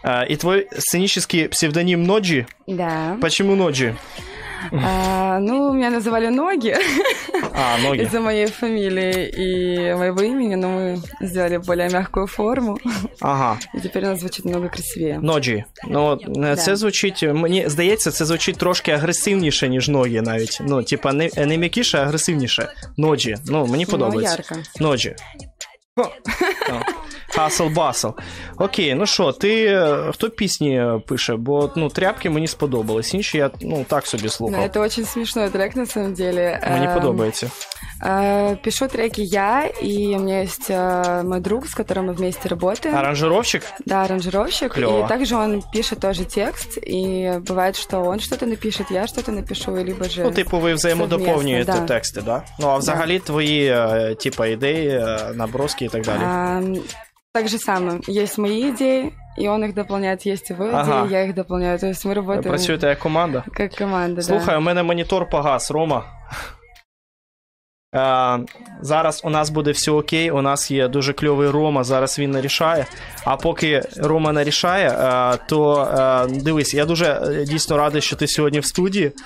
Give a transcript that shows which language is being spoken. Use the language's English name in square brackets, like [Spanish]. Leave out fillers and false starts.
[Russian] И твой сценический псевдоним Ноджи? Да. Почему Ноджи? Ну, меня называли Ноги. А, Ноги. Из-за моей фамилии и моего имени, но мы сделали более мягкую форму. Ага. И теперь она звучит намного красивее. Ноджи. Ну, да. [Ukrainian] Це звучить, мені здається, це звучить трошки агресивніше, ніж Ноги навіть. Ну, типа, не м'якіше, а агресивніше. Ноджи. Ну, мені подобається. [Russian] Ну, ярко. Ноджи. Хасл-басл. [Ukrainian] Окей, ну що, ти хто пісні пише? Бо, ну, тряпки мені сподобались, інші я, ну, так собі слухав. Це дуже смішний трек, [Russian] на самом деле. [Ukrainian] Мені подобається. [Russian] Пишу треки я, и у меня есть мой друг, с которым мы вместе работаем. Аранжировщик? Да, аранжировщик. Клёво. И также он пишет тоже текст, и бывает, что он что-то напишет, я что-то напишу, либо же... Ну, типа, вы взаимодополняете, да. Тексты, да? Ну, [Ukrainian] а взагалі, [Russian] да. Твои, типа, идеи, наброски и так далее? Так же самое. Есть мои идеи, и он их дополняет, есть его идеи, ага. Я их дополняю. То есть мы работаем... [Ukrainian] Працюю это [Russian] как команда? Как команда, [Ukrainian] слухай, [Russian] да. [Ukrainian] Слухай, [Russian] у меня монитор погас, Рома. [Ukrainian] Зараз у нас буде все окей, у нас є дуже кльовий Рома, зараз він нарішає. А поки Рома нарішає, то дивись, я дуже дійсно радий, що ти сьогодні в студії.